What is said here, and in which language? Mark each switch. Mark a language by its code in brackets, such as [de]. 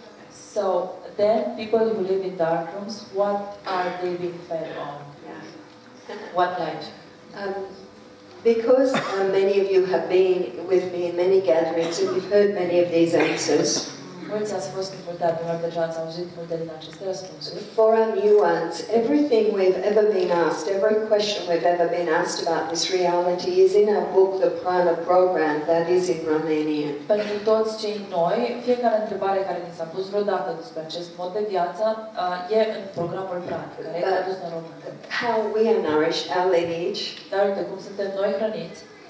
[en] So then people who live in dark rooms, what are they being fed on? Yeah. What light? Because many of you have been with me in many gatherings and you've heard many of these answers. [ro] Mulți ați fost invitați, dar deja ați auzit multe din aceste răspunsuri. [en] For our new ones, everything we've ever been asked, every question we've ever been asked about this reality is in our book, The Prana Program, that is in Romanian. [ro] Pentru toți cei noi, fiecare întrebare care ni s-a pus vreodată despre acest mod de viață e în programul Prana, care e tradus în română. [en] How we are nourished, our lineage. [ro] Dar uite cum suntem noi hrăniți.